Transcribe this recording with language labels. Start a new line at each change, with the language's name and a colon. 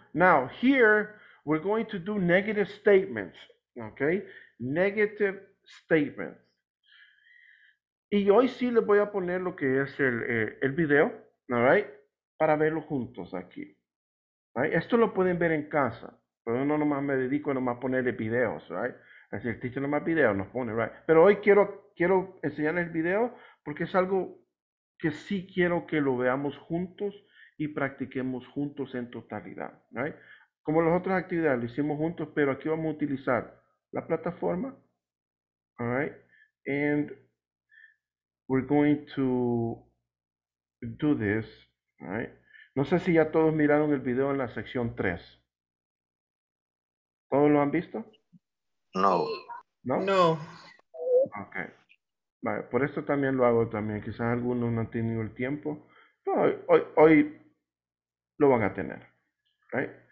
English: Now, here, we're going to do negative statements. Ok? Negative statements.
Spanish: Y hoy sí les voy a poner lo que es el video,
English: all right,
Spanish: para verlo juntos aquí.
English: Right?
Spanish: Esto lo pueden ver en casa, pero no nomás me dedico a nomás ponerle videos,
English: right?
Spanish: Así el teacher nomás videos nos pone,
English: right?
Spanish: Pero hoy quiero enseñar el video porque es algo que sí quiero que lo veamos juntos y practiquemos juntos en totalidad, right? Como las otras actividades lo hicimos juntos, pero aquí vamos a utilizar la plataforma.
English: All right, and we're going to do this, all right?
Spanish: No sé si ya todos miraron el video en la sección 3. ¿Todos lo han visto? No. ¿No? No. Ok. Vale, por esto también lo hago también. Quizás algunos no han tenido el tiempo. Pero hoy lo van a tener,
English: right?